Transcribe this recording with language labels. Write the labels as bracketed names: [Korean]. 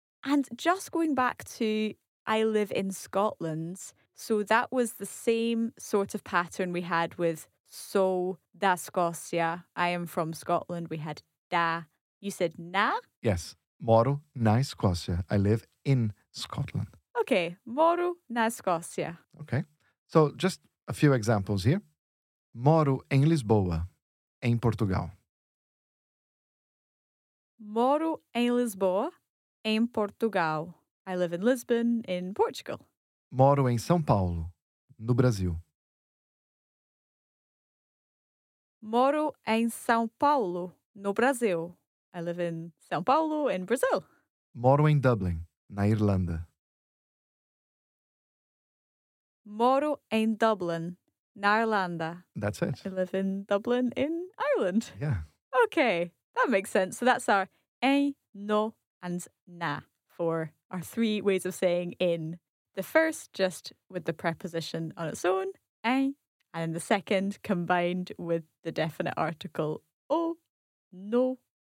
[English] And just going back to I live in Scotland, so that was the same sort of pattern we had with [Portuguese] so da Escócia, [English] I am from Scotland. We had da. You said na? Yes. [Portuguese] Moro na Escócia. [English] I live in Scotland. [Portuguese] Okay. Moro na Escócia. [English] Okay. So just a few examples here. [Portuguese] Moro em Lisboa, em Portugal. Moro em Lisboa, em Portugal. [English] I live in Lisbon, in Portugal. [Portuguese] Moro em São Paulo, no Brasil. Moro em São Paulo, no Brasil. [English] I live in São Paulo, in Brazil. [Portuguese] Moro em Dublin, na Irlanda. Moro em Dublin, na Irlanda. [English] That's it. I live in Dublin, in Ireland. Yeah. Okay, that makes sense. So that's our em, no, and na for our three ways of saying in. The first, just with the preposition on its own, em. And the second, combined with the definite article o, no.